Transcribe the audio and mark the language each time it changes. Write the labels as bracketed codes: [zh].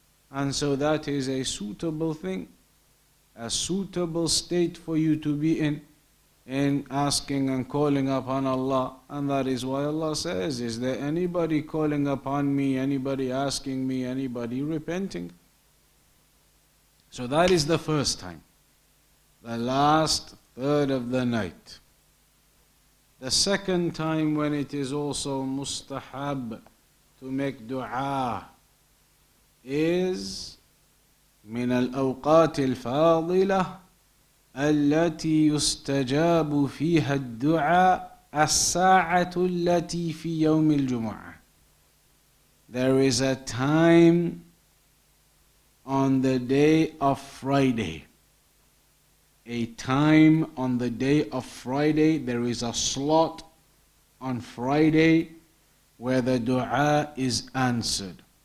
[en] And so that is a suitable thing, a suitable state for you to be in asking and calling upon Allah. And that is why Allah says, is there anybody calling upon me, anybody asking me, anybody repenting? So that is the first time, the last third of the night. The second time when it is also mustahab to make dua is [ar] من الأوقات الفاضلة التي يستجاب فيها الدعاء الساعة التي في يوم الجمعة. [en] There is a time on the day of Friday. A time on the day of Friday. There is a slot on Friday where the dua is answered.